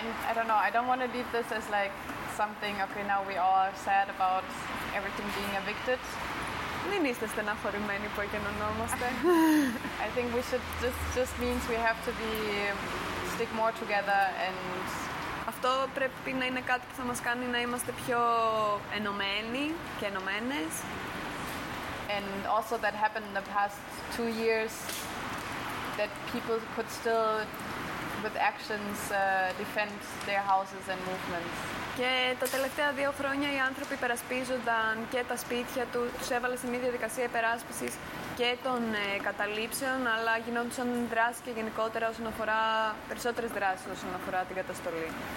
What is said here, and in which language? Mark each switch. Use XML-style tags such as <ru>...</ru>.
<en>I don't know, I don't want to leave this as like something, okay, now we all are sad about everything being evicted.</en> <el>Μην είστε στεναχωρημένοι που εκενωνόμαστε.</el> <en>I think we should, just means we have to be, stick more together and...</en> <el>Αυτό πρέπει να είναι κάτι που θα μας κάνει να είμαστε πιο ενωμένοι και ενωμένες.</el> <en>And also that happened in the past 2 years, that people could still... with actions defend their houses and movements.</en> <el>Και τα τελευταία δύο χρόνια οι άνθρωποι περασπίζονταν και τα σπίτια τους έβαλε σε μια διαδικασία υπεράσπισης και των καταλήψεων, αλλά γινόντουσαν δράσεις και γενικότερα όσον αφορά περισσότερες δράσεις όσον αφορά την καταστολή.</el>